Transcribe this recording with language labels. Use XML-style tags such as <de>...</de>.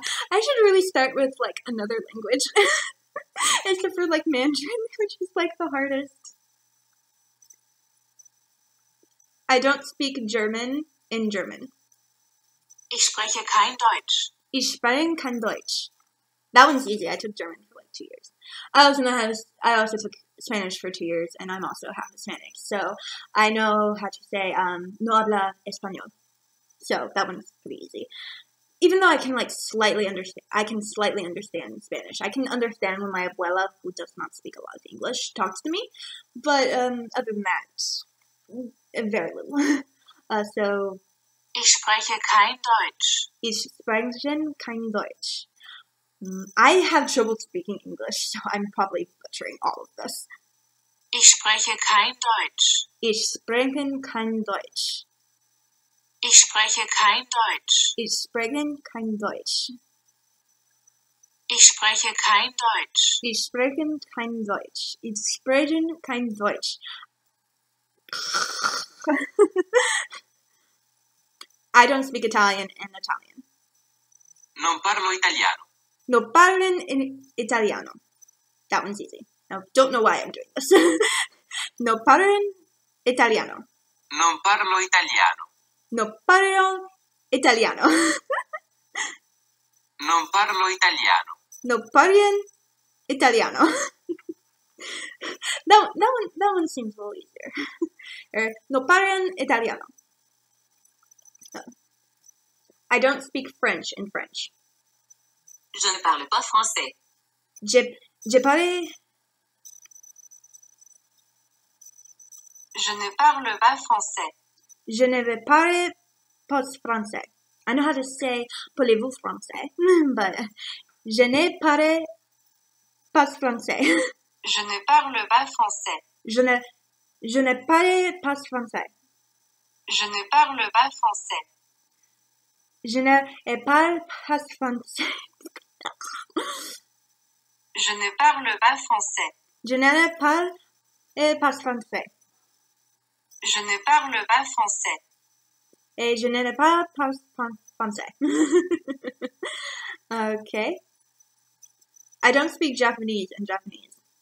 <en>I should really start with, like, another language. Except for, like, Mandarin, which is, like, the hardest. I don't speak German in German.</en> <de>Ich spreche kein Deutsch. Ich spreche kein Deutsch.</de> <en>That one's easy. I took German for, like, 2 years. I also know how to, I also took Spanish for 2 years, and I'm also half Hispanic. So I know how to say,</en> <es>no habla español.</es> <en>So that one's pretty easy. Even though I can like slightly understand, I can slightly understand Spanish. I can understand when my abuela, who does not speak a lot of English, talks to me. But other than that, very little. So</en> <de>ich spreche kein Deutsch. Ich spreche kein Deutsch.</de> <en>I have trouble speaking English, so I'm probably butchering all of this.</en> <de>Ich spreche kein Deutsch. Ich spreche kein Deutsch. Ich spreche kein Deutsch. Ich spreche kein Deutsch. Ich spreche kein Deutsch. Ich spreche kein Deutsch. Ich spreche kein Deutsch.</de> <en>I don't speak Italian and Italian.</en> <it>Non parlo italiano. No parlen in italiano.</it> <en>That one's easy. No, don't know why I'm doing this.</en> <it>No parlen italiano. Non parlo italiano. No parlo italiano. Non parlo italiano. No parlen italiano.</it> <en>That one seems a little easier.</en> <it>No parlen italiano.</it> <en>No. I don't speak French in French.</en> <fr>Je ne parle pas français. Je parle. Je ne parle pas français. Je ne parle pas français.</fr> <en>I know how to say</en> <fr>parlez-vous français,</fr> <en>but</en> <fr>je ne parle pas français. Je ne parle pas français. Je ne parle pas français. Je ne parle pas français. Je ne parle pas français. Je ne parle pas français. Je ne parle pas français. Je ne parle pas français. Et je ne parle pas français.</fr> <en>Okay. I don't speak Japanese in Japanese.</en>